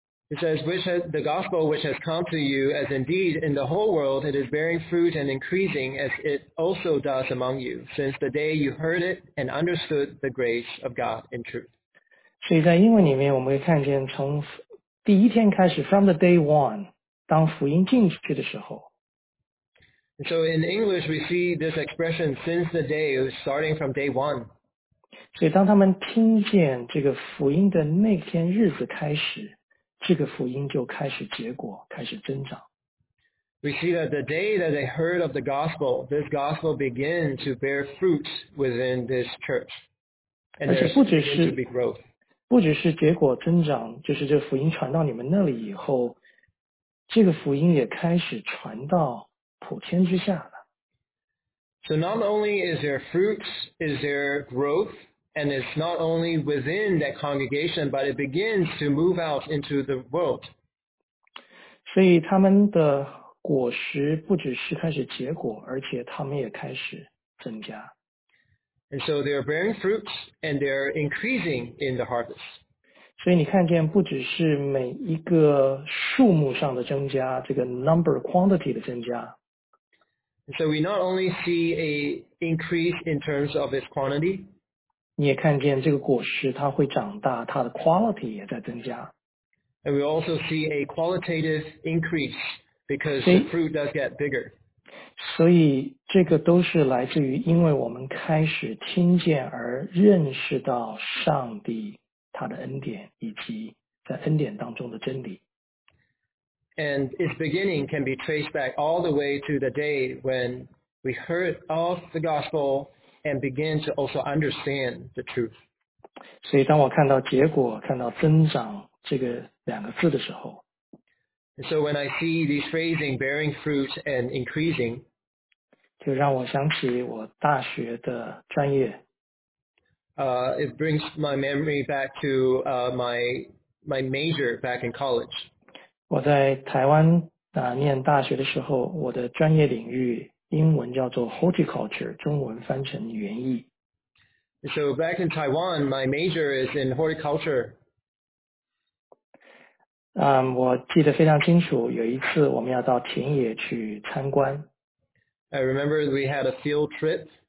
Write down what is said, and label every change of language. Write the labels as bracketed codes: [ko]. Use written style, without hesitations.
[en] It says, which has, the gospel which has come to you, as indeed in the whole world, it is bearing fruit and increasing as it also does among you, since the day you heard it and understood the grace of God in truth. [zh] 所以在英文里面我们会看见从第一天开始 [en] from the day one, [zh] 当福音进去的时候。 [en] So in English, we see this expression since the day, starting from day one. [zh] 所以当他们听见这个福音的那天日子开始，这个福音就开始结果，开始增长。 [en] We see that the day that they heard of the gospel, this gospel began to bear fruit within this church. And there began to be growth. [zh] 不只是结果增长，就是这福音传到你们那里以后，这个福音也开始传到普天之下了。 [en] So not only is there fruits, is there growth, and it's not only within that congregation, but it begins to move out into the world. [zh] 所以他们的果实不只是开始结果，而且他们也开始增加。 [en] And so they are bearing fruits, and they are increasing in the harvest. [zh] 所以你看见不只是每一个数目上的增加，这个 [en] number quantity [zh] 的增加。 [en] And so we not only see a increase in terms of its quantity. [zh] 你也看见这个果实它会长大，它的 quality 也在增加。 [en] And we also see a qualitative increase. Because the fruit does get bigger. [zh] 所以这个都是来自于因为我们开始听见而认识到上帝他的恩典以及在恩典当中的真理。 [en] And its beginning can be traced back all the way to the day when we heard of the gospel and began to also understand the truth. [zh] 所以当我看到结果，看到增长这个两个字的时候， [en] So when I see these phrasing bearing fruit and increasing, [zh] 就让我想起我大学的专业。 [en] It brings my memory back to my major back in college. [zh] 我在台湾念大学的时候，我的专业领域英文叫做 horticulture, 中文翻成园艺。 [en] So back in Taiwan, my major is in horticulture. [zh] 我记得非常清楚，有一次我们要到田野去参观。 [en] I remember we had a field trip.